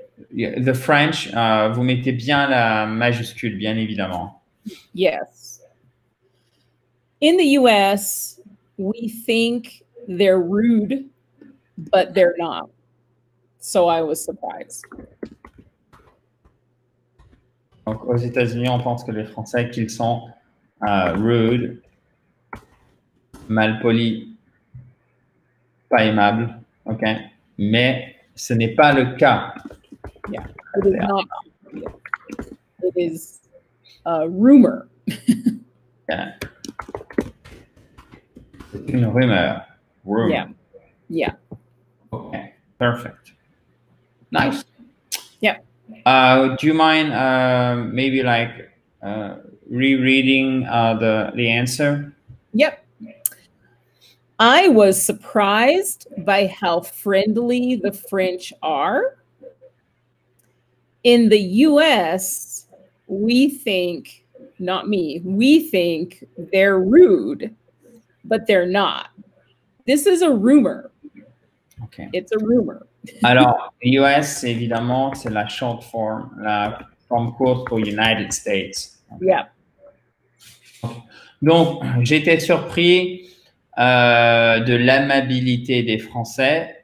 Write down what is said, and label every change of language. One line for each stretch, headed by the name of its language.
English: The French,
French: vous mettez bien la majuscule, bien évidemment.
English: Yes. In the US, we think they're rude, but they're not. So I was surprised.
French: Donc, aux États-Unis, on pense que les Français, qu'ils sont rude, mal polis, pas aimables, OK? Mais ce n'est pas le cas.
English: Yeah, it is not. Yeah. It is a rumor.
French: Yeah. Une rumeur. Rumor.
English: Yeah. Yeah. Okay, perfect. Nice. Yeah. Do you mind maybe like rereading the answer? Yep. I was surprised by how friendly the French are. In the US, we think, not me, we think they're rude, but they're not. This is a rumor. Okay. It's a rumor.
French: Alors, US, évidemment, c'est la short form, la forme courte pour United States.
English: Yeah.
French: Donc, j'étais surpris de l'amabilité des Français.